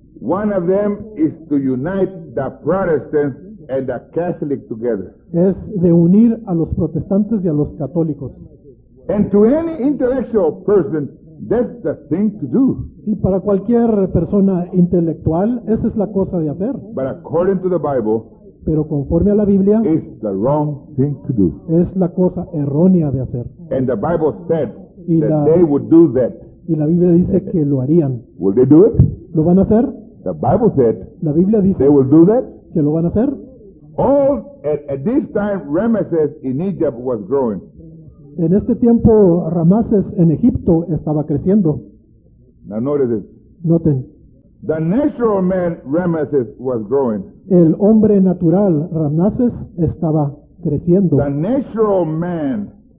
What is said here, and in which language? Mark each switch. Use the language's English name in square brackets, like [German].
[English] One of them is to unite the Protestants and the Catholic together. [Spanish] Es de unir a los protestantes y a los católicos. [English] And to any intellectual person, that's the thing to do. [Spanish] Y para cualquier persona intelectual, esa es la cosa de hacer. [English] But according to the Bible, [Spanish] pero conforme a la Biblia, [English] it's the wrong thing to do. [Spanish] Es la cosa errónea de hacer. [English] And the Bible said that they would do that. [Spanish] Y la Biblia dice que lo harían. [English] Will they do it? [Spanish] ¿Lo van a hacer? [English] The Bible said. [Spanish] La Biblia dice. [English] They will do that. [Spanish] ¿Que lo van a hacer? [English] All at this time, Ramesses in Egypt was growing. [Spanish] En este tiempo, Ramesses en Egipto estaba creciendo. [English] Now notice it. [Spanish] Noten. [English] The natural man Ramesses was growing. [Spanish] El hombre natural Ramesses estaba creciendo. [English] The natural man.